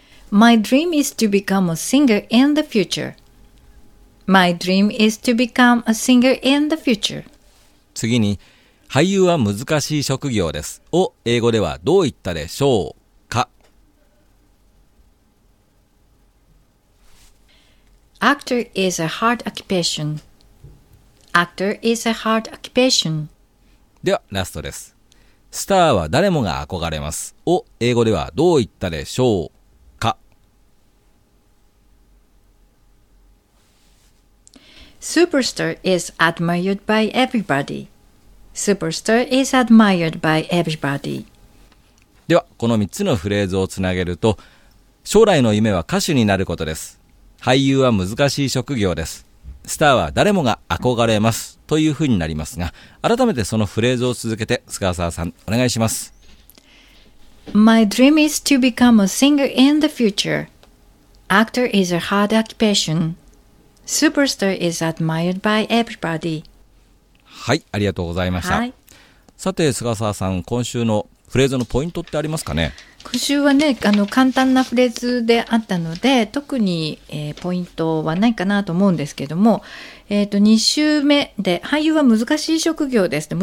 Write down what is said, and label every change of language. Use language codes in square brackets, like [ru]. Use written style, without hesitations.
[en] My dream is to become a singer in the future. My dream is to become a singer in the future. [ja] 次に、俳優は難しい職業ですを英語ではどう言ったでしょうか？ [en] Actor is a hard occupation. Actor is a hard occupation. [ja] ではラストです。スターは誰もが憧れますを英語ではどう言ったでしょう？ [en] Superstar is admired by everybody. Superstar is admired by everybody. [ja] では、この3つのフレーズをつなげると、将来の夢は歌手になることです。俳優は難しい職業です。スターは誰もが憧れます。というふうになりますが、改めてそのフレーズを続けて、菅沢さん、お願いします。 [en] My dream is to become a singer in the future. Actor is a hard occupation. Superstar is admired by everybody. [ja] はい、ありがとうございました、はい、さて菅沢さん、今週のフレーズのポイントってありますかね？今週はね、簡単なフレーズであったので、特に、ポイントはないかなと思うんですけども、2週目で俳優は難しい職業です。